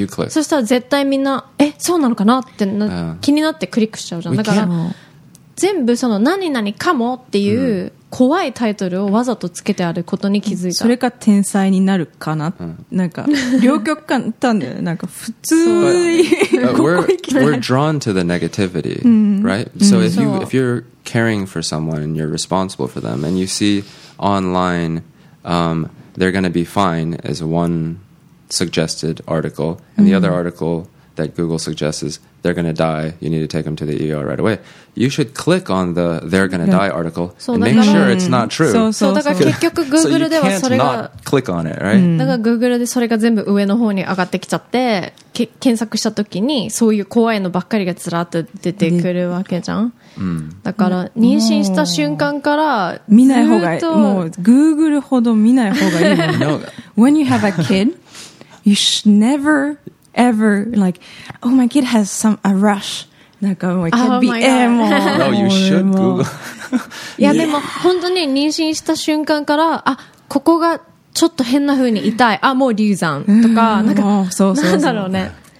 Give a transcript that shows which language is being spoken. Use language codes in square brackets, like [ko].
[ja] ん、そしたら絶対みんなえそうなのかなってな、気になってクリックしちゃうじゃん。だから全部その何々かもっていう怖いタイトルをわざとつけてあることに気づいた、うん、それか天才になるかな、うん、なんか両極端だよね。なんか普通に [en] we're drawn to the negativity、 [ja] うん、 [en] right so、うん、if you'reCaring for someone and you're responsible for them, and you see online, they're going to be fine, is one suggested article, and mm-hmm. the other article that Google suggests is they're going to die, you need to take them to the ER right away. You should click on the they're going to die article and make sure it's not true. When you have a kid, you should never ever like, oh, my kid has some a rush. Like, oh, my kid be emo. No, you should Google. [ja] Yeah, でも本当に妊娠した瞬間から、あ、ここがちょっと変な風に痛い。あ、もう流産とか、なんか、そうそうそう。なんだろうね。